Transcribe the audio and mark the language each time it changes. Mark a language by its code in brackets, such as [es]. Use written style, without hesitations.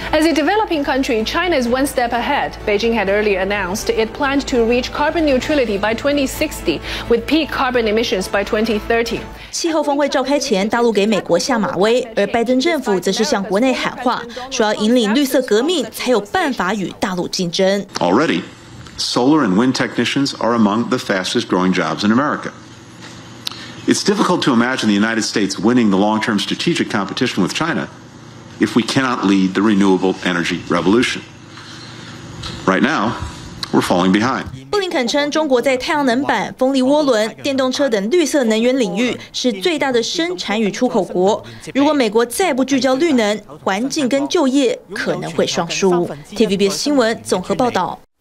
[en] As a developing country, China is one step ahead. Beijing had earlier announced it planned to reach carbon neutrality by 2060, with peak carbon emissions by 2030. [zh] 气候峰会召开前，大陆给美国下马威，而拜登政府则是向国内喊话，说要引领绿色革命，才有办法与大陆竞争。 [en] Already. Solar and wind technicians are among the fastest growing jobs in America. It's difficult to imagine the United States winning the long-term strategic competition with China if we cannot lead the renewable energy revolution. Right now, we're falling behind. [zh] 布林肯称，中国在太阳能板、风力涡轮、电动车等绿色能源领域是最大的生产与出口国。如果美国再不聚焦绿能，环境跟就业可能会双输。 TVBS 新闻综合报道。